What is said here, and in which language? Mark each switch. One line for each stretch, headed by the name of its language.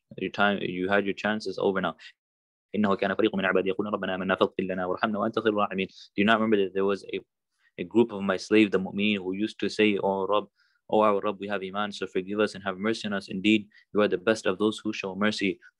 English: Your time, you had your chances over now.
Arabic: إنه كان فريق من عبادي يقولون ربنا آمنا فاغفر لنا وارحمنا وأنت خير الراحمين.
English: Do you not remember that there was a group of my slaves, the mu'mineen, who used to say, "Oh Rabb, oh our Rabb, we have iman, so forgive us and have mercy on us. Indeed, you are the best of those who show mercy."